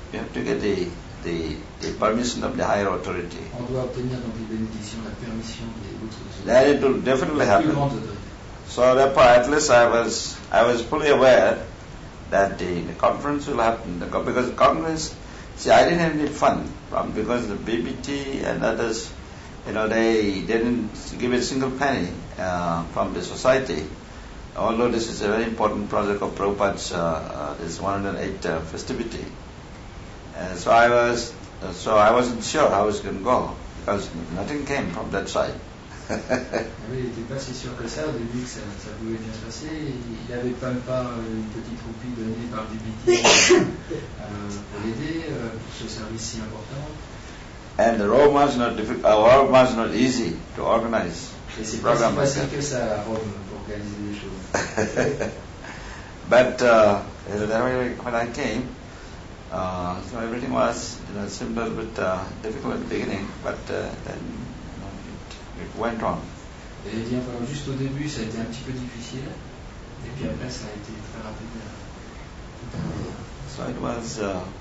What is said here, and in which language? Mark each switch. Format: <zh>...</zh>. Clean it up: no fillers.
<en>You have to get the permission of the higher authority.</en> <fr>On doit obtenir donc les bénédictions, la permission des autres.</fr> <en>That it will definitely happen. So therefore, at least I was fully aware that the conference will happen. Because the conference, see, I didn't have any fun. Because the BBT and others, you know, they didn't give a single penny from the society. Although this is a very important project of Prabhupada's, this 108th festivity. So I wasn't sure how it's going to go, because nothing came from that side.</en> <fr>Oui, il n'était pas si sûr que ça au début, que ça pouvait bien se passer. Il n'avait même pas une petite roupie donnée par BBT pour l'aider pour ce service si important.</fr> <en>And the Roma is not difficult. Our Roma is not easy to organize. But when I came, so everything was, you know, simple but difficult at the beginning. But then it went on.</en> <fr>Et bien, enfin, juste au début, ça a été un petit peu difficile, et puis après, ça a été très rapide.</fr>